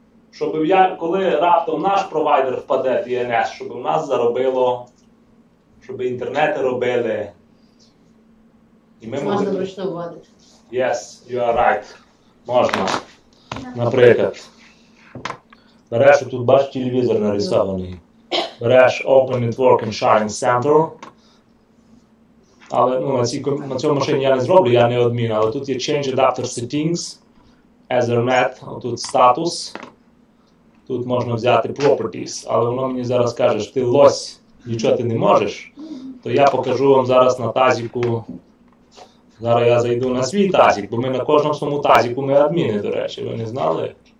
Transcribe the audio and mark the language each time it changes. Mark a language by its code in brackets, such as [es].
[uk] щоб я, коли раптом наш провайдер впаде в DNS, щоб у нас заробило, щоб інтернети робили. І ми можемо. Можна вручну вводити. [en] Yes, you are right. [uk] Можна. Наприклад. Береш, тут бачиш телевізор нарисований. Береш Open Network and Sharing Center. Але ну, на цьому машині я не зроблю, я не адмін, але тут є Change Adapter Settings, Ethernet, тут статус. Тут можна взяти Properties, але воно мені зараз каже, що ти лось, нічого ти не можеш. То я покажу вам зараз на тазіку. Зараз я зайду на свій тазік, бо ми на кожному своєму тазіку ми адміни, до речі, ви не знали?